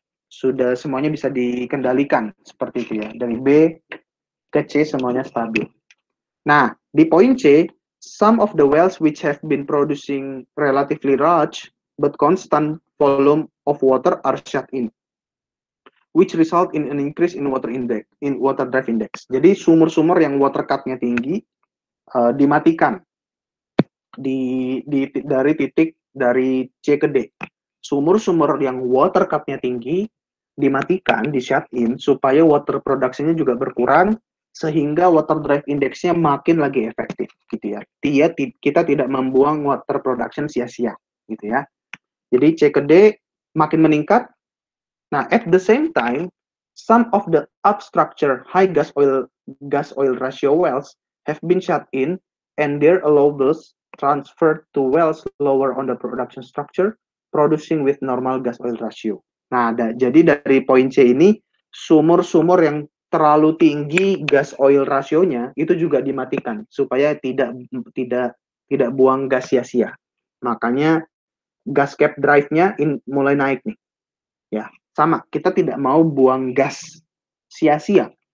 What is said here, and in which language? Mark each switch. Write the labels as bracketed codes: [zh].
[id] Sudah semuanya bisa dikendalikan. Seperti itu ya. Dari B ke C, semuanya stabil. Nah, di poin C, [en] some of the wells which have been producing relatively large but constant volume of water are shut in, which result in an increase in water index, in water drive index. [id] Jadi sumur-sumur yang water cut-nya tinggi dimatikan dari C ke D. Sumur-sumur yang water cut-nya tinggi dimatikan, di shut in supaya water production-nya juga berkurang sehingga water drive index-nya makin lagi efektif gitu ya. Kita tidak membuang water production sia-sia gitu ya. Jadi C ke D makin meningkat. [en] Nah, at the same time, some of the upstructure high gas oil ratio wells have been shut in and their allowables transferred to wells lower on the production structure producing with normal gas oil ratio. [id] Nah, jadi dari poin C ini, sumur-sumur yang terlalu tinggi gas oil rasionya itu juga dimatikan supaya tidak buang gas sia-sia. Makanya gas cap drive-nya mulai naik nih. Ya, sama, kita tidak mau buang gas sia-sia.